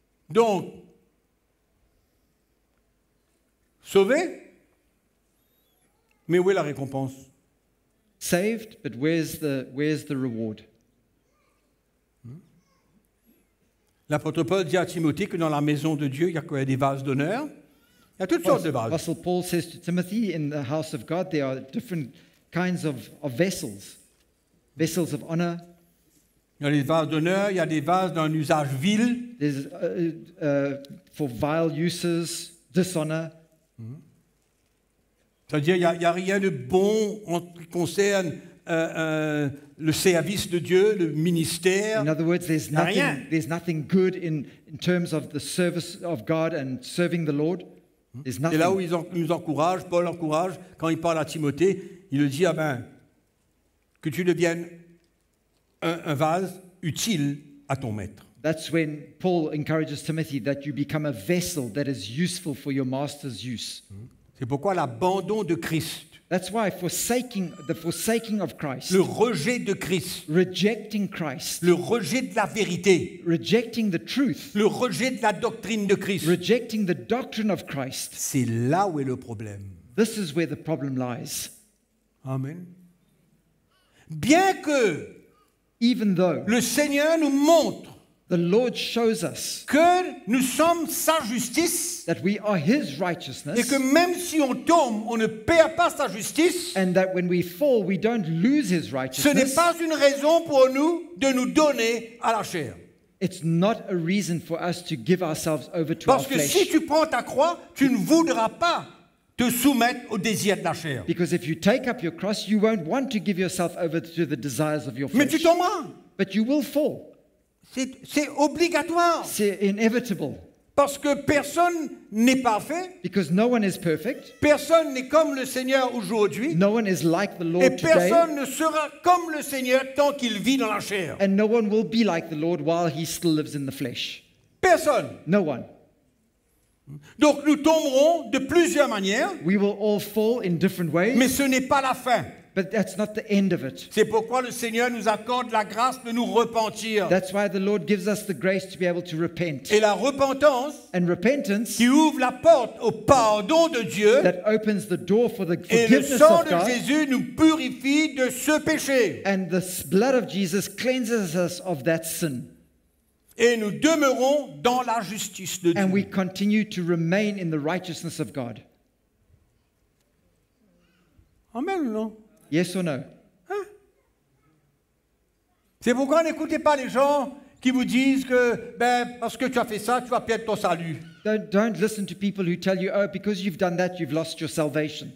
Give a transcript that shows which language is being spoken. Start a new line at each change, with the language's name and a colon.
French: Donc, sauvé, mais où est la récompense?
English: Saved, but where's the reward?
French: L'apôtre Paul dit à Timothée que dans la maison de Dieu, il y a quoi? Des vases d'honneur? Il y a toutes sortes de vases.
English: Apostle Paul says to Timothy, in the house of God, there are different kinds of vessels, vessels of honor.
French: Il y a des vases d'honneur, il y a des vases d'un usage vil.
English: There's for vile uses, dishonor.
French: C'est-à-dire, il n'y a rien de bon en ce qui concerne le service de Dieu, le ministère.
English: In other words, there's nothing good in terms of the service of God and serving the Lord. There's nothing.
French: Et là où nous encourage, Paul encourage, quand il parle à Timothée, il le dit, ah ben, que tu deviennes un vase utile à ton maître.
English: That's when Paul encourages Timothy that you become a vessel that is useful for your master's use.
French: C'est pourquoi l'abandon de Christ.
English: That's why forsaking of Christ.
French: Le rejet de Christ.
English: Rejecting Christ.
French: Le rejet de la vérité.
English: Rejecting the truth.
French: Le rejet de la doctrine de Christ.
English: Rejecting the doctrine of Christ.
French: C'est là où est le problème.
English: This is where the problem lies.
French: Amen. Bien que
English: even though
French: le Seigneur nous montre
English: the Lord shows us
French: que nous sommes sa justice,
English: that we are his righteousness,
French: et que même si on tombe, on ne perd pas sa justice,
English: and that when we fall, we don't lose his righteousness.
French: Ce n'est pas une raison pour nous de nous donner à la chair.
English: It's not a reason for us to give ourselves over to our flesh.
French: Parce que si tu prends ta croix, tu ne voudras pas te soumettre au désir de la chair.
English: Because if you take up your cross, you won't want to give yourself over to the desires of your flesh.
French: Mais tu tomberas.
English: But you will fall.
French: C'est obligatoire. C'est inevitable. Parce que personne n'est parfait.
English: Because no one is perfect.
French: Personne n'est comme le Seigneur aujourd'hui.
English: No one is like the Lord
French: et personne
English: today.
French: Ne sera comme le Seigneur tant qu'il vit dans la chair.
English: And no one will be like the Lord while he still lives in the flesh.
French: Personne.
English: No one.
French: Donc nous tomberons de plusieurs manières.
English: We will all fall in different ways.
French: Mais ce n'est pas la fin.
English: But that's not the end of it.
French: C'est pourquoi le Seigneur nous accorde la grâce de nous repentir.
English: That's why the Lord gives us the grace to be able to repent.
French: Et la repentance,
English: and repentance,
French: qui ouvre la porte au pardon de Dieu,
English: that opens the door for the forgiveness of God.
French: Et le sang de Jésus nous purifie de ce péché.
English: And the blood of Jesus cleanses us of that sin.
French: Et nous demeurons dans la justice de Dieu.
English: And we continue to remain in the righteousness of God.
French: Amen ou non?
English: Yes or no?
French: C'est pourquoi n'écoutez pas les gens qui vous disent que ben parce que tu as fait ça, tu vas perdre ton salut.
English: Don't listen to people who tell you oh because you've done that you've lost your salvation.